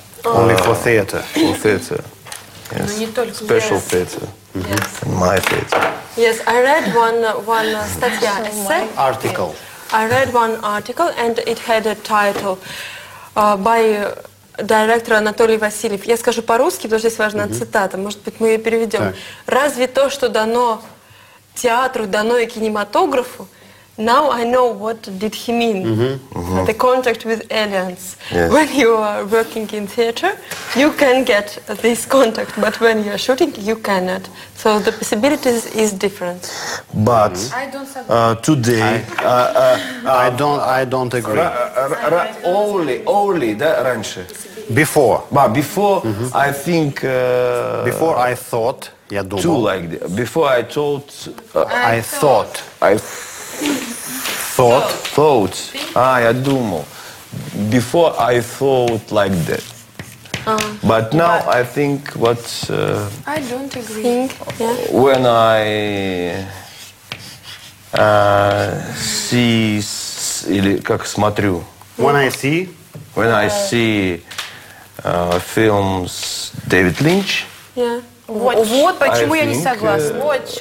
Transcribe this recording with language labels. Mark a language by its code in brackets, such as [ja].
[en] Only for theater. For theater. Yes. Special yes. theater. Mm-hmm. Yes. And my theater. Yes, I read one [ru] статья, [en] essay. Article. I read one article and it had a title by director Анатолий Васильев. [ru] Я скажу по-русски, потому что здесь важна mm-hmm. цитата. Может быть, мы ее переведем. Так. Разве то, что дано театру, дано и кинематографу, [en] now I know what did he mean. Mm-hmm. Mm-hmm. The contact with aliens. Yes. When you are working in theater, you can get this contact, but when you are shooting, you cannot. So the possibilities is different. But mm-hmm. I don't today, I don't agree. [ru] Only да, раньше. [en] Before. But before, mm-hmm. I think. Before I thought. [ru] Я думал. [en] Too like that. Before I thought. I thought. Thought. [ru] Ah, я думал. [en] Before I thought like that. But now but I think what. I don't agree. Think, yeah. When I see [ru] или как смотрю. [en] When I see. When I see films David Lynch. Yeah. [ru] Вот почему я не согласна.